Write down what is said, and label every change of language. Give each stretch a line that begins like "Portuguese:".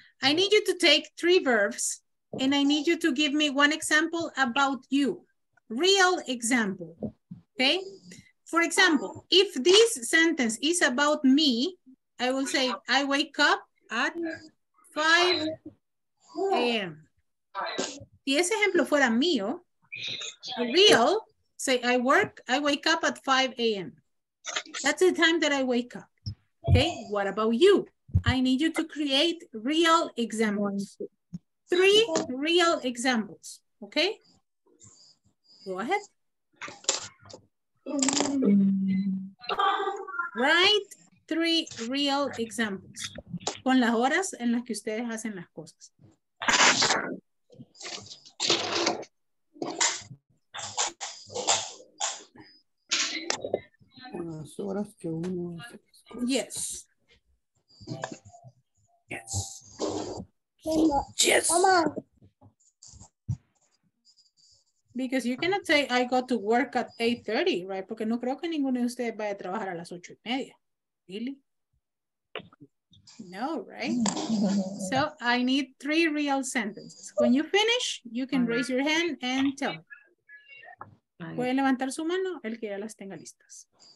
English: I need you to take three verbs and I need you to give me one example about you. Real example, okay? For example, if this sentence is about me, I will say, I wake up at 5 a.m.
Spanish: Si ese ejemplo fuera mío, real,
English: say, I wake up at 5 a.m. That's the time that I wake up, okay? What about you? I need you to create real examples. Three real examples, okay? Go ahead. Write three real examples.
Spanish: Con las horas en las que ustedes hacen las cosas. Las horas que uno hace las
English: cosas. Yes. Yes. Yes. Mama. Because you cannot say I go to work at 8:30, right?
Spanish: Porque no creo que ninguno de ustedes vaya a trabajar a las 8:30.
English: Really? No, right? So I need three real sentences. When you finish, you can raise your hand and tell.
Spanish: Puede levantar su mano el que ya las tenga listas.